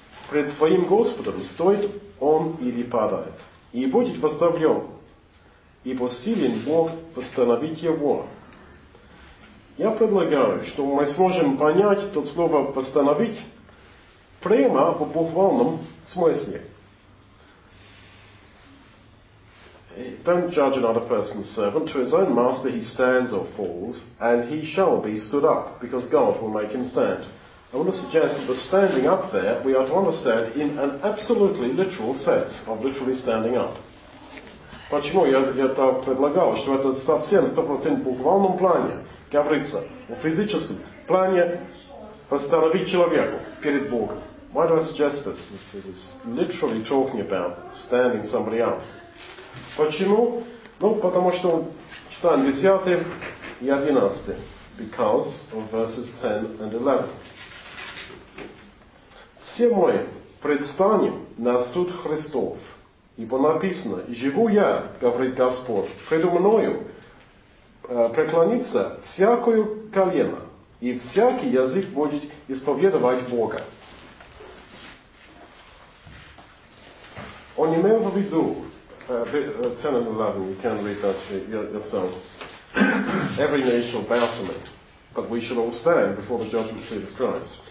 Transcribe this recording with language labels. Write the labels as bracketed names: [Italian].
[Russian] Пред своим Господом стоит он или падает, и будет восставлен, ибо силен Бог восстановить его. Я предлагаю, что мы сможем понять то слово «восстановить» прямо в буквальном смысле. [English] Don't judge another person's servant. To his own master he stands or falls, and he shall be stood up, because God will make him stand. I want to suggest that the standing up there we are to understand in an absolutely literal sense of literally standing up. [Russian] Почему я так предлагал, что это совсем 100% в буквальном плане, говорится, в физическом плане восстановить человеку перед Богом. [English] Why do I suggest this? It is literally talking about standing somebody up. [Russian] Почему? Ну, потому что читаем 10 и 11. [English] Because of verses 10 and 11. [Russian] Все мы предстанем на суд Христов, ибо написано, живу я, говорит Господь, предо мною преклонится всякое колено, и всякий язык будет исповедовать Бога. Он имел в виду, [English] 10 and 11, you can read that yourselves, every nation shall bow to me. But we should all stand before the judgment seat of Christ.